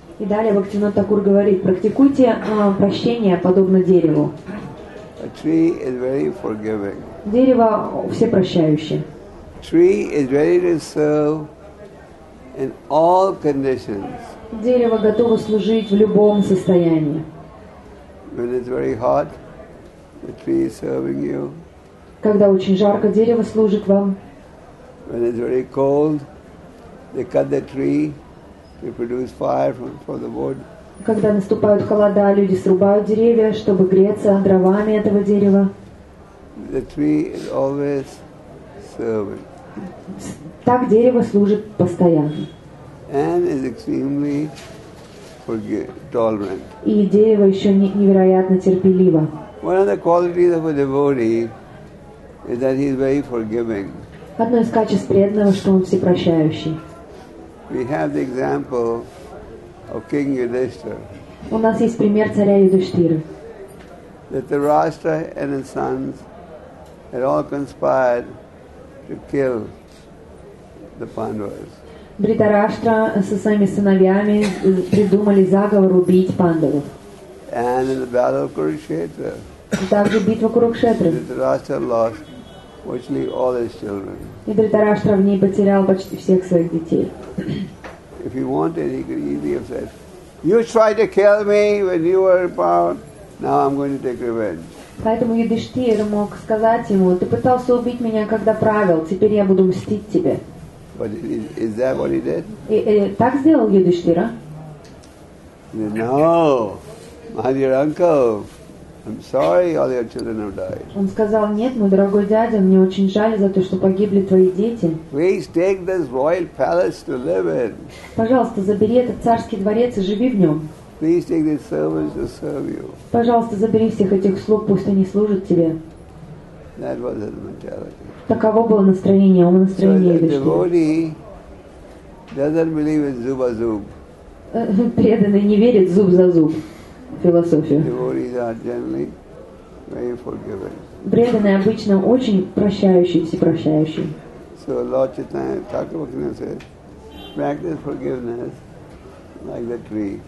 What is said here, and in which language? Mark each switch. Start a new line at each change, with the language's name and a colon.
Russian: И далее Бхактивинода Тхакур говорит, практикуйте прощение подобно дереву.
English: A tree is very forgiving.
Russian: Дерево всепрощающее.
English: Tree is ready to serve in all conditions.
Russian: Дерево готово служить в любом состоянии.
English: When it's very hot, the tree is serving you.
Russian: Когда очень жарко, дерево служит вам.
English: When it's very cold, they cut the tree to produce fire for the wood.
Russian: Когда наступают холода, люди срубают деревья, чтобы греться дровами этого дерева.
English: The tree is always serving.
Russian: Так дерево служит постоянно.
English: And is extremely tolerant.
Russian: И дерево еще невероятно терпеливо.
English: One of the qualities of a devotee is that he is very forgiving.
Russian: Одно из качеств преданного, что он всепрощающий.
English: We have the example of King Yudhishthira.
Russian: У нас есть пример царя Юдхиштхиры.
English: Dhritarashtra and his sons had all conspired to kill the Pandavas.
Russian: Dhritarashtra со своими сыновьями придумали заговор убить Пандавов.
English: And in the battle of Kurukshetra,
Russian: также битва Курукшетры.
English: Dhritarashtra lost virtually all his children.
Russian: И Dhritarashtra в ней потерял почти всех своих детей.
English: If he wanted, he could easily have said, "You tried to kill me when you were in power. Now I'm going to take revenge."
Russian: Поэтому Юдхиштхира мог сказать ему, ты пытался убить меня, когда правил, теперь я буду мстить тебе.
English: But is that what he did?
Russian: Так сделал Юдхиштхира?
English: No, my dear uncle, I'm sorry all your children have died.
Russian: Он сказал, нет, мой дорогой дядя, мне очень жаль за то, что погибли твои дети.
English: Please take this royal palace to live in.
Russian: Пожалуйста, забери этот царский дворец и живи в нем.
English: Please take these servants to serve you.
Russian: Пожалуйста, забери всех этих слуг, пусть они служат тебе.
English: That was his mentality.
Russian: Таково было настроение, его настроение.
English: So the devotee doesn't believe in zub a zub.
Russian: Преданный не верит зуб за зуб философию.
English: Devotees are generally very forgiving.
Russian: Преданный обычно очень прощающий, всепрощающий.
English: So Lord Chaitanya Thakurakina says, practice forgiveness. Like the tree.